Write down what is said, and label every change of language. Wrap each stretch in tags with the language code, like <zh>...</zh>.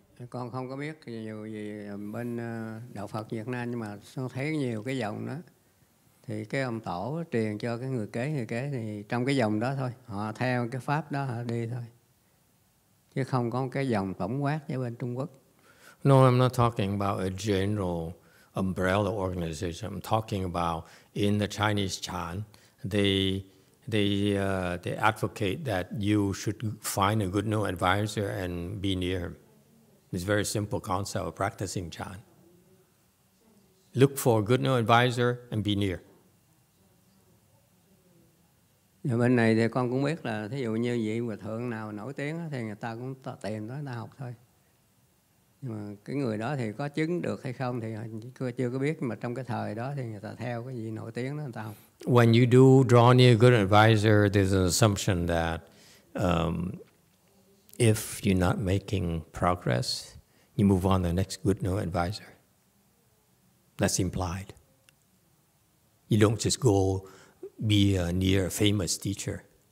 <vi>Con không có biết nhiều gì bên đạo Phật Việt Nam nhưng mà con thấy nhiều cái dòng đó thì cái ông tổ truyền cho cái người kế thì trong cái dòng đó thôi họ theo cái pháp đó họ đi thôi chứ không có cái dòng tổng quát với bên Trung Quốc.</vi> <en>No, I'm not talking about a general umbrella organization. I'm talking about in the Chinese Chan, they advocate that you should find a good new advisor and be near him. It's a very simple concept of practicing Chan. Look for a good new advisor and be near.</en> <vi>Ở bên này thì con cũng biết là thí dụ như vị hòa thượng nào nổi tiếng thì người ta cũng tìm đó, người ta học thôi. Nhưng mà cái người đó thì có chứng được hay không thì chưa có biết. Nhưng mà trong cái thời đó thì người ta theo cái vị nổi tiếng đó, người ta học.</vi> <en>When you do draw near a good advisor, there's an assumption that if you're not making progress, you move on to the next good new advisor. That's implied. You don't just go be a near famous teacher.</en>